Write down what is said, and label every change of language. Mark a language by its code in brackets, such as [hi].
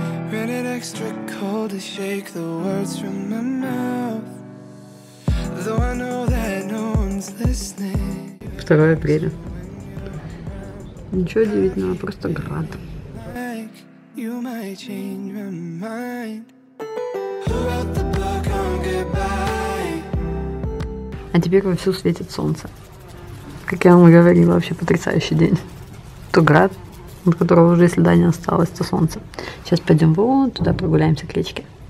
[en] Ran it extra cold to shake the words from my mouth. Though I know that no one's listening. [ru] 2 апреля. Ничего удивительного, просто град. [en] You might change my mind. Who wrote the book on goodbye? [ru] А теперь вовсю светит солнце. Как я вам говорила, вообще потрясающий день. То град, от которого уже и следа не осталось, то солнце. Сейчас пойдем вон туда, прогуляемся к речке.